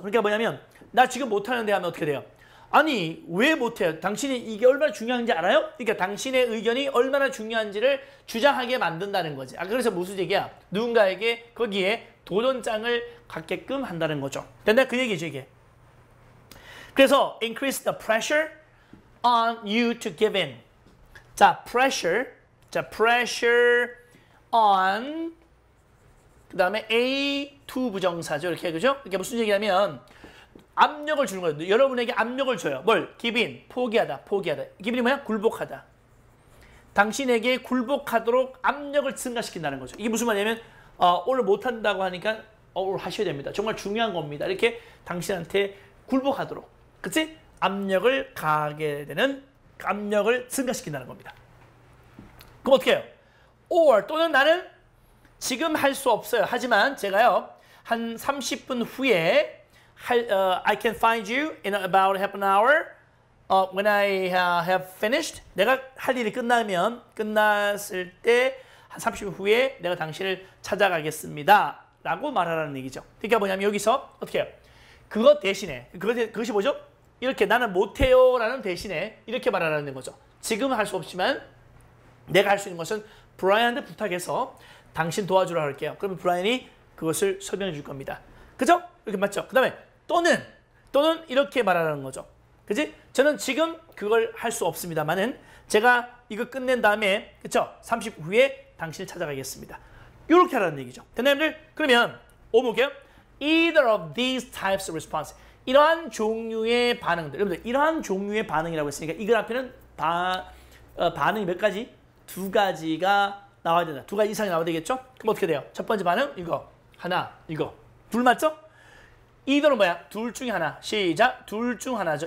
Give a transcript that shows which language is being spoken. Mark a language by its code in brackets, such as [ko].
[ko] 그러니까 뭐냐면 나 지금 못하는데 하면 어떻게 돼요? 아니 왜 못해요? 당신이 이게 얼마나 중요한지 알아요? 그러니까 당신의 의견이 얼마나 중요한지를 주장하게 만든다는 거지. 아 그래서 무슨 얘기야? 누군가에게 거기에 도전장을 갖게끔 한다는 거죠. 됐나? 그 얘기죠 이게. [en] 그래서 increase the pressure on you to give in. 자, pressure. [ko] 자, pressure on 그다음에 A to 부정사죠. 이렇게 그죠? 이게 무슨 얘기냐면 압력을 주는 거예요. 여러분에게 압력을 줘요. 뭘? Give in. 포기하다. 포기하다. Give in이 뭐야? 굴복하다. 당신에게 굴복하도록 압력을 증가시킨다는 거죠. 이게 무슨 말이냐면 오늘 못한다고 하니까 오늘 하셔야 됩니다. 정말 중요한 겁니다. 이렇게 당신한테 굴복하도록. 그치? 압력을 가하게 되는 압력을 증가시킨다는 겁니다. 그럼 어떻게 해요? Or 또는 나는 지금 할 수 없어요. 하지만 제가요 한 30분 후에 [en] I can find you in about half an hour when I have finished. [ko] 내가 할 일이 끝나면 끝났을 때 한 30분 후에 내가 당신을 찾아가겠습니다. 라고 말하라는 얘기죠. 그러니까 뭐냐면 여기서 어떻게 해요? 그거 대신에 그것이 뭐죠? 이렇게 나는 못해요 라는 대신에 이렇게 말하라는 거죠. 지금 할 수 없지만 내가 할 수 있는 것은 브라이언한테 부탁해서 당신 도와주라 할게요. 그러면 브라이언이 그것을 설명해 줄 겁니다. 그죠? 이렇게 맞죠? 그 다음에 또는 이렇게 말하라는 거죠. 그지? 저는 지금 그걸 할 수 없습니다만은 제가 이거 끝낸 다음에 그쵸? 30분 후에 당신을 찾아가겠습니다. 이렇게 하라는 얘기죠. 됐나요, 여러분들? 그러면 오목이요. [en] Either of these types of response. [ko] 이러한 종류의 반응들. 여러분들 이러한 종류의 반응이라고 했으니까 이글 앞에는 반응이 몇 가지? 두 가지가 나와야 된다. 두 가지 이상이 나와야 되겠죠? 그럼 어떻게 돼요? 첫 번째 반응 이거 하나 이거 둘 맞죠? Either는 뭐야? 둘 중 하나. 시작. 둘 중 하나죠.